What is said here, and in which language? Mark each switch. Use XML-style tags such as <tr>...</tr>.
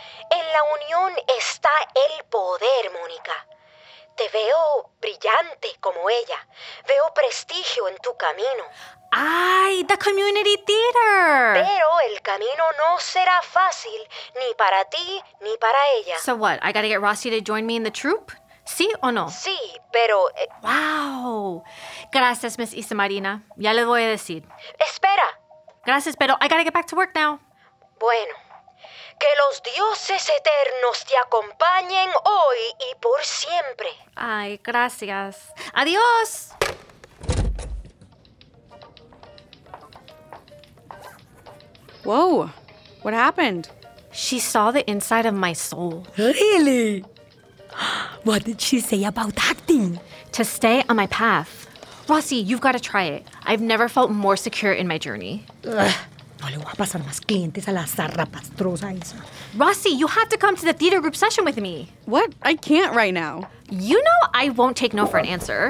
<es>En la unión está el poder, Mónica. Te veo brillante como ella. Veo prestigio en tu camino.</es> <en>¡Ay, the community theater!</en> <es>Pero el camino no será fácil ni para ti ni para ella.</es> <en>So what, I gotta get Rossi to join me in the troupe?</en> <es>¿Sí o no? Sí, pero... ¡Wow! Gracias, Miss Isamarina. Ya le voy a decir. ¡Espera! Gracias, pero</es> <en>I gotta get back to work now.</en> <es>Bueno, que los dioses eternos te acompañen hoy y por siempre. ¡Ay, gracias! ¡Adiós!</es> <en>Whoa! What happened? She saw the inside of my soul. Really? What did she say about acting? To stay on my path. Rossi, you've got to try it. I've never felt more secure in my journey. Ugh.</en> <es>No le voy a pasar más clientes a la zarrapastrosa esa.</es> <en>Rossi, you have to come to the theater group session with me. What? I can't right now. You know I won't take no for an answer.</en>